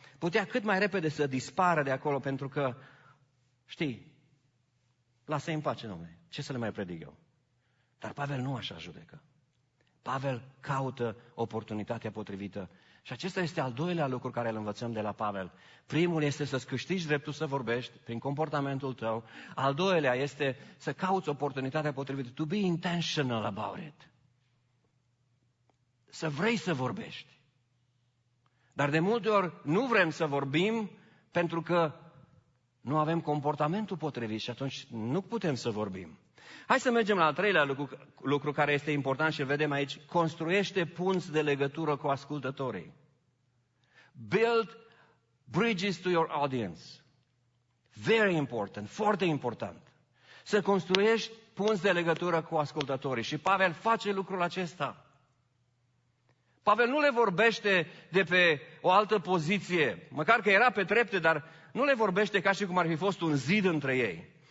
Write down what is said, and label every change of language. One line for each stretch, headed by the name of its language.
Romanian: Putea cât mai repede să dispară de acolo, pentru că, știi, lasă-i în pace, domnule, ce să le mai predic eu? Dar Pavel nu așa judecă. Pavel caută oportunitatea potrivită. Și acesta este al doilea lucru care îl învățăm de la Pavel. Primul este să-ți câștigi dreptul să vorbești prin comportamentul tău. Al doilea este să cauți oportunitatea potrivită.
English: To be intentional about it.
Romanian: Să vrei să vorbești. Dar de multe ori nu vrem să vorbim pentru că nu avem comportamentul potrivit și atunci nu putem să vorbim. Hai să mergem la al treilea lucru care este important și îl vedem aici. Construiește punți de legătură cu ascultătorii.
English: Build bridges to your audience. Very important,
Romanian: foarte important. Să construiești punți de legătură cu ascultătorii. Și Pavel face lucrul acesta. Pavel nu le vorbește de pe o altă poziție, măcar că era pe trepte, dar nu le vorbește ca și cum ar fi fost un zid între ei.